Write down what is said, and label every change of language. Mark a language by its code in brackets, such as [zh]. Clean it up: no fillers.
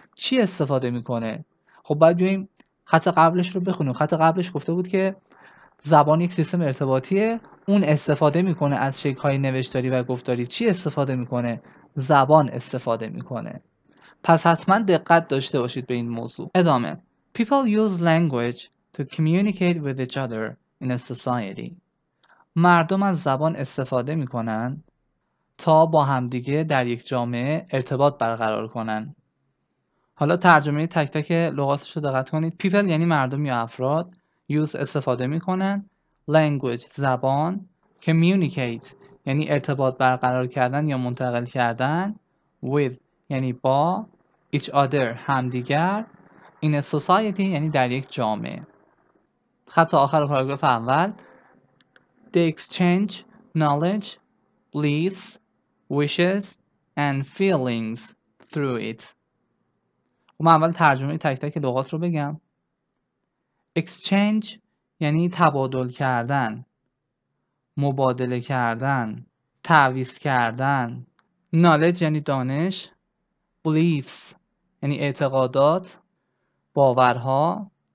[fa] چی استفاده میکنه؟ خب باید بیایم خط قبلش رو بخونیم. خط قبلش گفته بود که زبان یک سیستم ارتباطیه، اون استفاده میکنه از شکل‌های نوشتاری و گفتاری. چی استفاده میکنه؟ زبان استفاده میکنه. پس حتما دقت داشته باشید به این موضوع. ادامه. [en] People use language to communicate with each other in a society. [fa] مردم از زبان استفاده میکنن تا با همدیگه در یک جامعه ارتباط برقرار کنن. حالا ترجمه تک تک لغاتش رو دقت کنید. People یعنی مردم یا افراد. Use استفاده میکنن. Language زبان. Communicate یعنی ارتباط برقرار کردن یا منتقل کردن. With یعنی با. [en] Each other [fa] همدیگر. [en] In a society [fa] یعنی در یک جامعه. خط آخر پاراگراف اول. [en] They exchange knowledge, beliefs, wishes and feelings through it. [fa] و من اول ترجمه تک تک لغات رو بگم. Exchange یعنی تبادل کردن، مبادله کردن، تعویض کردن. Knowledge یعنی دانش. Beliefs یعنی اعتقادات، باورها.